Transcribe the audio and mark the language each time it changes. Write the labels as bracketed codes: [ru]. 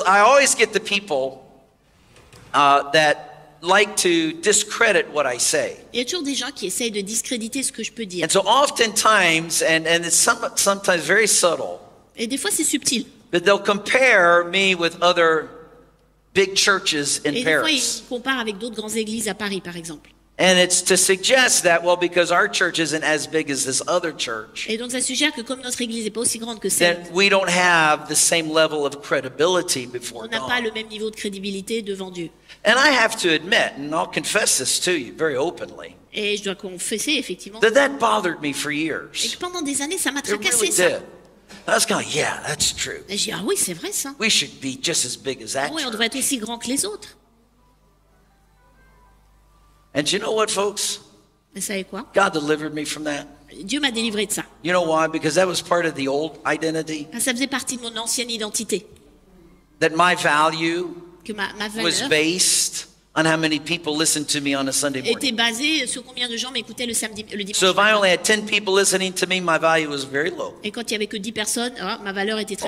[en] I always get the people that like to discredit what I say. [fr] Il y a toujours des gens qui essayent de discréditer ce que je peux dire. [en] And so oftentimes, and it's sometimes very subtle. [fr] Et des fois, c'est subtil. [en] But they'll compare me with other big churches in Paris. [fr] Et des fois, ils comparent avec d'autres grandes églises à Paris, par exemple. [en] And it's to suggest that, well, because our church isn't as big as this other church. [fr] Et donc, ça suggère que comme notre église n'est pas aussi grande que celle. [en] That we don't have the same level of credibility before God. [fr] On n'a pas le même niveau de crédibilité devant Dieu. [en] And I have to admit, and I'll confess this to you very openly. [fr] Et je dois confesser effectivement. [en] That bothered me for years. [fr] Et que pendant des années, ça m'a tracassé. [en] It really did. I was going, yeah, that's true. [fr] Et je dis, ah oui, c'est vrai, ça. [en] We should be just as big as that. [fr] Oui, on devrait être aussi grand que les autres. [en] And you know what, folks? [fr] Vous savez quoi? [en] God delivered me from that. [fr] Dieu m'a délivré de ça. [en] You know why? Because that was part of the old identity. [fr] Ça faisait partie de mon ancienne identité. [en] That my value [fr] que ma valeur [en] was based on how many people listened to me on a Sunday morning. [fr] Était basé sur combien de gens m'écoutaient le samedi, le dimanche. [en] So if I only had 10 people listening to me, my value was very low. [fr] Et quand il y avait que 10 personnes, oh, ma valeur était très